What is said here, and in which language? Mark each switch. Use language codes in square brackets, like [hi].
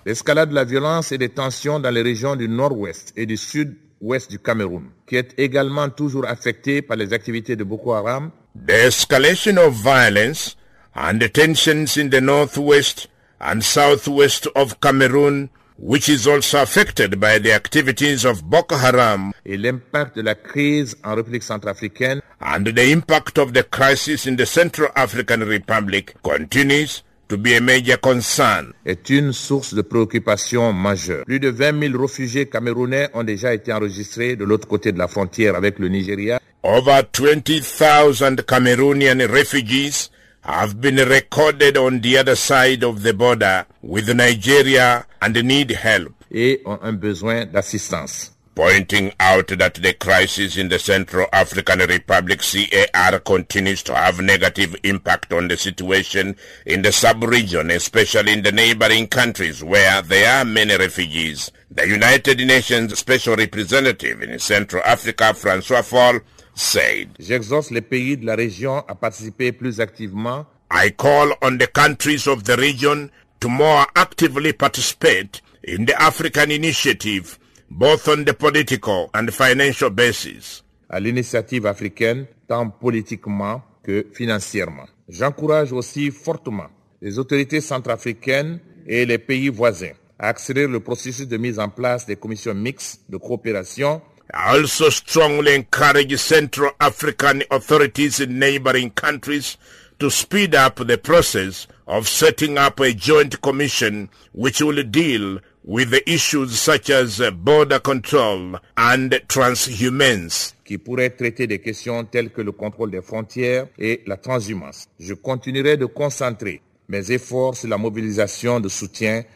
[fr] L'escalade de la violence et des tensions dans les régions du nord-ouest et du sud-ouest du Cameroun, qui est également toujours affectée par les activités de Boko Haram. [en] The escalation of violence and the tensions in the northwest and southwest of Cameroon, which is also affected by the activities of Boko Haram, [fr] et l'impact de la crise en République centrafricaine, [en] and the impact of the crisis in the Central African Republic, continues to be a major concern, [fr] est une source de préoccupation majeure. Plus de 20 000 réfugiés camerounais ont déjà été enregistrés de l'autre côté de la frontière avec le Nigeria. [en] Over 20,000 Cameroonian refugees have been recorded on the other side of the border with Nigeria and need help. [fr] Et ont un besoin d'assistance. [en] Pointing out that the crisis in the Central African Republic CAR continues to have negative impact on the situation in the sub-region, especially in the neighboring countries where there are many refugees, the United Nations Special Representative in Central Africa, Francois Fall, said, [fr] j'exhorte les pays de la région à participer plus activement. [en] I call on the countries of the region to more actively participate in the African initiative, both on the political and financial basis. [fr] À l'initiative africaine, tant politiquement que financièrement. J'encourage aussi fortement les autorités centrafricaines et les pays voisins à accélérer le processus de mise en place des commissions mixtes de coopération. [en] I also strongly encourage Central African authorities in neighboring countries to speed up the process of setting up a joint commission which will deal with the issues such as border control and transhumance. [fr] Qui pourrait traiter des questions telles que le contrôle des frontières et la transhumance. Je continuerai de concentrer mes efforts sur la mobilisation de soutien.